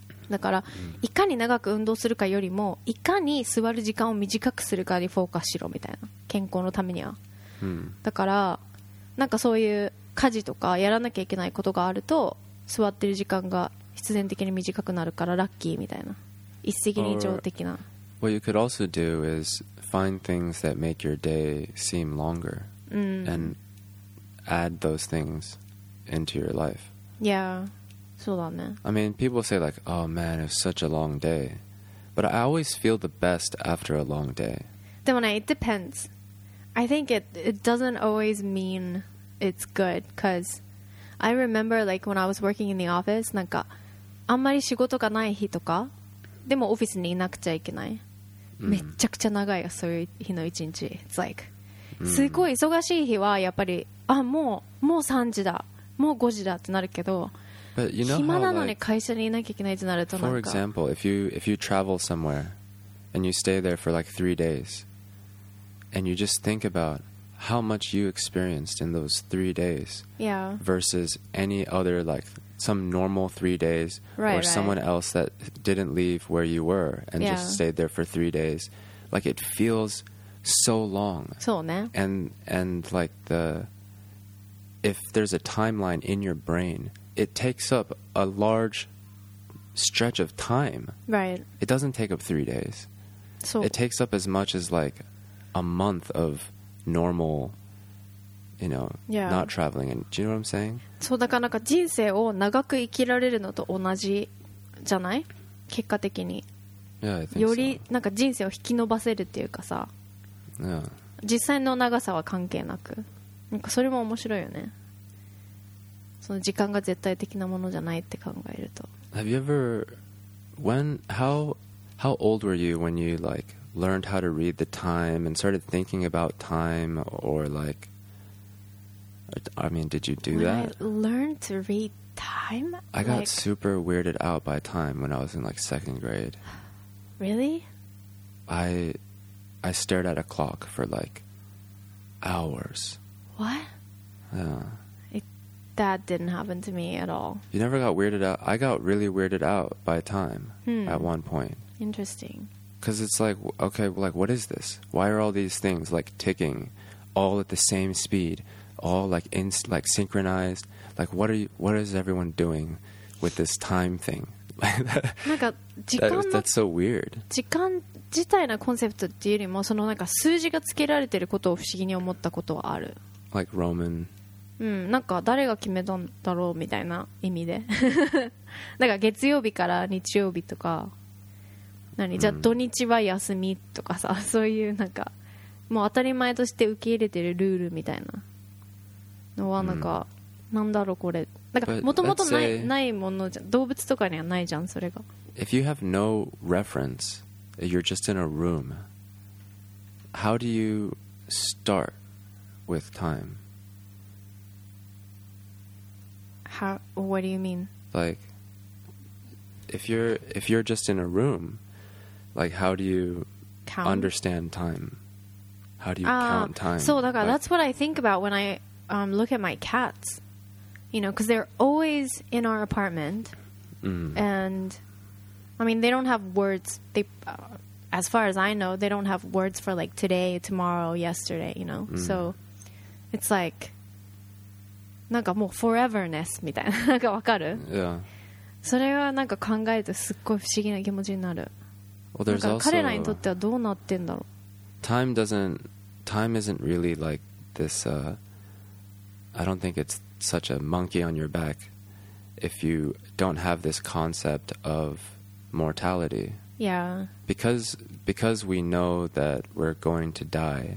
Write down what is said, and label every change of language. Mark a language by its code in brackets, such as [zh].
[ja] だからいかに長く運動するかよりも、いかに座る時間を短くするかにフォーカスしろみたいな、健康のためには。だからなんかそういう家事とかやらなきゃいけないことがあると、座ってる時間が必然的に短くなるからラッキーみたいな、一石二鳥的な。 [en] Or, What you could also do is find things that make your day seem longer、and add those things into your life. Yeah, [ja] そうだね。 [en] I mean, people say like, oh man, it's such a long day. But I always feel the best after a long day. [ja] でもね、 [en] it depends. I think it doesn't always mean it's good, because I remember like when I was working in the office, [ja] なんかあんまり仕事がない日とか、でもオフィスにいなくちゃいけない、めっちゃくちゃ長いよそういう日の一日。 [en] It's like、 [ja] すごい忙しい日はやっぱり、あ、もう3時だ、もう5時だってなるけど、 [en] But you know [ja] 暇なのに会社にいなきゃいけないってなるとなんか、 [en] For example, if you travel somewhere and you stay there for like 3 days. And you just think about how much you experienced in those 3 days versus any other, like, some normal 3 days or someone else that didn't leave where you were and just stayed there for 3 days. Like, it feels so long. [ja] そうね。 [en] And, like, if there's a timeline in your brain, it takes up a large stretch of time. Right. It doesn't take up 3 days. So it takes up as much as, like,A month of normal, you know, not traveling. And do you know what I'm saying? [ja] そうだからなんか人生を長く生きられるのと同じじゃない？結果的に。 [en] Yeah, I think so. [ja] よりなんか人生を引き延ばせるっていうかさ。 [en] Yeah. [ja] 実際の長さは関係なく。なんかそれも面白いよね。その時間が絶対的なものじゃないって考えると。 [en] Have you ever, how old were you when you like? Learned how to read the time and started thinking about time, or like, I mean, did you do when that? I learned to read time. I like, got super weirded out by time when I was in like second grade. Really? I stared at a clock for like hours. What? Yeah. That didn't happen to me at all. You never got weirded out? I got really weirded out by time at one point. Interesting. Because it's like, okay, like, what is this? Why are all these things, like, ticking all at the same speed? All, like, synchronized? Like, what is everyone doing with this time thing? [ja] なんか時間の [en] that's so weird. [ja] 時間自体のコンセプトっていうよりも、そのなんか数字がつけられてることを不思議に思ったことはある。 [en] Like Roman? [ja] うん、なんか誰が決めたんだろうみたいな意味で。なんか月曜日から日曜日とか。何じゃあ土日は休みとかさ、そういうなんかもう当たり前として受け入れてるルールみたいなのはなんか、なんだろうこれ、なんかもともとないものじゃ、動物とかにはないじゃんそれが。 [en] If you have no reference, you're just in a room, how do you start with time? What do you mean? Like if you're just in a roomLike, how do you count? Understand time? How do you count time? So, like, that's what I think about when I look at my cats. You know, because they're always in our apartment. And, I mean, they don't have words. They, as far as I know, they don't have words for, like, today, tomorrow, yesterday, you know? So, it's like, [ja] なんかもう foreverness みたいな、なんかわかる、 [en] yeah. [ja] それはなんか考えてすっごい不思議な気持ちになる。 [en] Well, there's also, [ja] 彼らにとってはどうなってんだろう。 [en] Time isn't really like this、I don't think it's such a monkey on your back if you don't have this concept of mortality. Yeah. Because we know that we're going to die.